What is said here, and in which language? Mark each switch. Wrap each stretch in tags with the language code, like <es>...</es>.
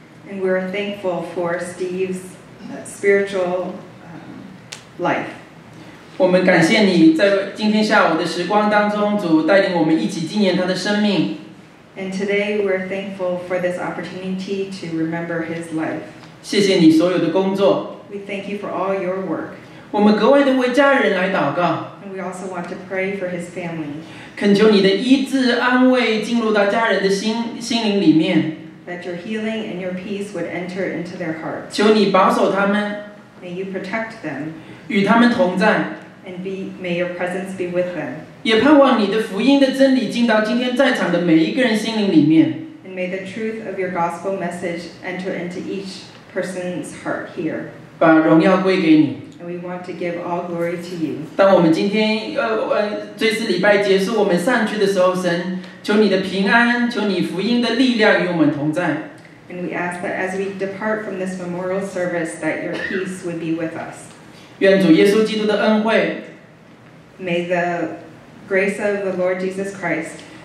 <en>And we are thankful for Steve's spiritual life.</en> <zh>我们感谢你在今天下午的时光当中，主带领我们一起纪念他的生命。</zh> <en>And today we are thankful for this opportunity to remember his life.</en> <zh>谢谢你所有的工作。</zh> <en>We thank you for all your work.</en> <zh>我们格外的为家人来祷告。</zh> <en>And we also want to pray for his family.</en> <zh>恳求你的医治安慰进入到家人的 心灵里面。</zh> <en>That your healing and your peace would enter into their hearts.</en> <zh>求你保守他们。</zh> <en>May you protect them.</en> <zh>与他们同在。</zh> <en>And be, may your presence be with them.</en> <zh>也盼望你的福音的真理进到今天在场的每一个人心灵里面。</zh> <en>And may the truth of your gospel message enter into each person's heart here.</en> <zh>把荣耀归给你。</zh> <en>And we want to give all glory to you.</en> <zh>当我们今天追思礼拜结束，我们散去的时候，神。求你的平安，求你福音的力量与我们同在。</zh> <en>And we ask that as we depart from this memorial service, that your peace would be with us.</en> <zh>愿主耶稣基督的恩惠。</zh> <en>May the grace of the Lord Jesus Christ.</en>